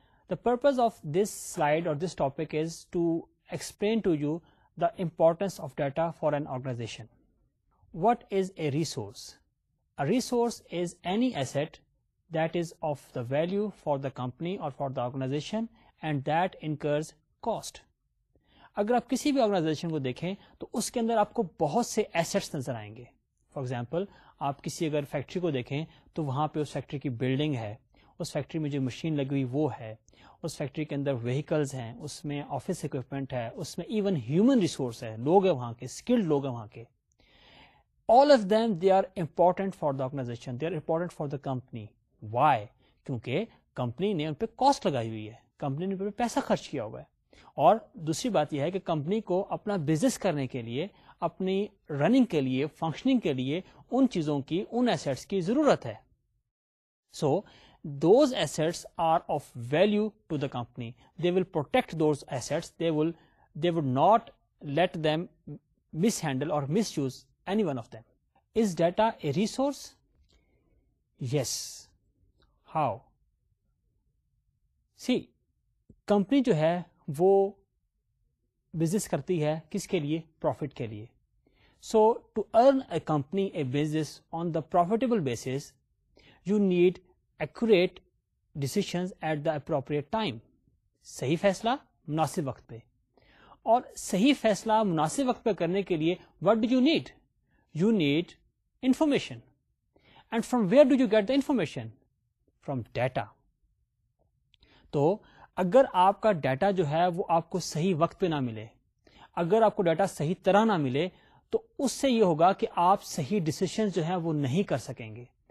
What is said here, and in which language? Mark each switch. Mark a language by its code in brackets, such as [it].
[en] The purpose of this slide اور this topic is to explain to you the importance of data for an organization. What is a resource? A resource is any asset that is of the value for the company or for the organization and that incurs cost. [ur] اگر آپ کسی بھی organization کو دیکھیں تو اس کے اندر آپ کو بہت سے ایسٹس نظر آئیں گے. فار ایگزامپل آپ کسی اگر فیکٹری کو دیکھیں تو وہاں پہ اس فیکٹری کی بلڈنگ ہے, اس فیکٹری میں جو مشین لگی ہوئی وہ ہے, اس فیکٹری کے اندر وہیکلز ہیں, اس میں آفس اکوپمنٹ ہے, اس میں ایون ہیومن ریسورس ہے, لوگ ہیں وہاں کے, اسکلڈ لوگ ہیں وہاں کے. [en] All of them they are important for the organization, they are important for the company. [ur] Y? کیونکہ کمپنی نے ان پہ کاسٹ لگائی ہوئی ہے, کمپنی نے ان پہ پیسہ خرچ کیا ہوا ہے. اور دوسری بات یہ ہے کہ کمپنی کو اپنا بزنس کرنے کے لیے, اپنی رننگ کے لیے, فنکشننگ کے لیے ان چیزوں کی, ان ایسٹس کی ضرورت ہے. [en] So those assets are of value to the company, they will protect those assets, they will not let them mishandle اور misuse any one of them. Is data a resource? Yes. [ur] How? C company جو ہے وہ business کرتی ہے کس کے لیے؟ Profit کے لیے. [en] so to earn a company a business on the profitable basis you need accurate decisions at the appropriate time, [ur] صحیح فیصلہ مناسب وقت پہ. اور صحیح فیصلہ مناسب وقت پہ کرنے کے لیے [en] What do you need? You need information. And from where do you get the information? From data. [ur] تو اگر آپ کا ڈیٹا جو ہے وہ آپ کو صحیح وقت پہ نہ ملے, اگر آپ کو ڈیٹا صحیح طرح نہ ملے, تو اس سے یہ ہوگا کہ آپ صحیح ڈیسیشن جو ہے وہ نہیں کر سکیں گے.